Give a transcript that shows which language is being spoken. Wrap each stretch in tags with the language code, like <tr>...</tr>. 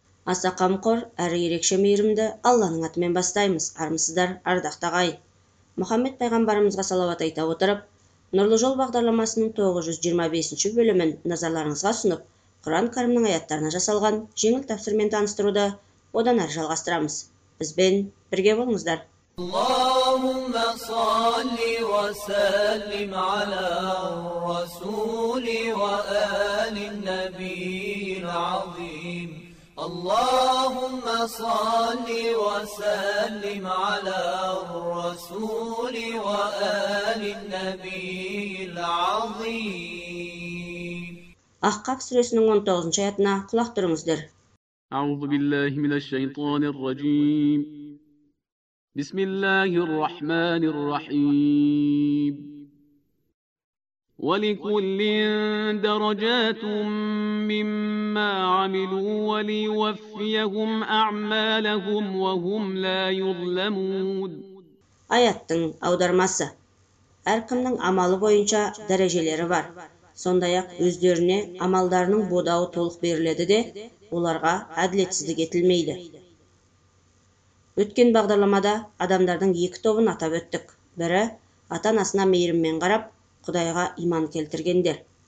<kk>Аса қамқор әрі ерекше мейірімді Алланың атымен бастаймыз, армысыздар, ардақты ағайын. Мұхаммед пайғамбарымызға салауат айта отырып, Нұрлы жол бағдарламасының 925-ші бөлімін назарларыңызға сұнып, Құран кәрімнің аяттарына жасалған жеңіл тәпсірмен таныстыруды одан әрі жалғастырамыз. Бізбен бірге болыңыздар.</kk> <ar>Аллаһумма салли ва саллим аля расули ва али ан-набиил азим. اللهم صل وسلم على الرسول وآل النبي العظيم.</ar> <kk>Ахкаф сүресінің 19-шы аятына құлақ түріңіздер.</kk> <ar>أعوذ بالله من الشيطان الرجيم. بسم الله الرحمن الرحيم. ولكل درجات مما عملوا وليوفيهم أعمالهم وهم لا يظلمون.</ar> <kk>Аяттың аудармасы. Әркімнің амалы бойынша дәрежелері бар. Сондай-ақ өздеріне амалдарының бодауы толық беріледі де, оларға әділетсіздік етілмейді. Өткен бағдарламада адамдардың екі тобын атап өттік. Бірі ата-анасына мейіріммен қарап, Құдайға иман келтіргендер.</kk>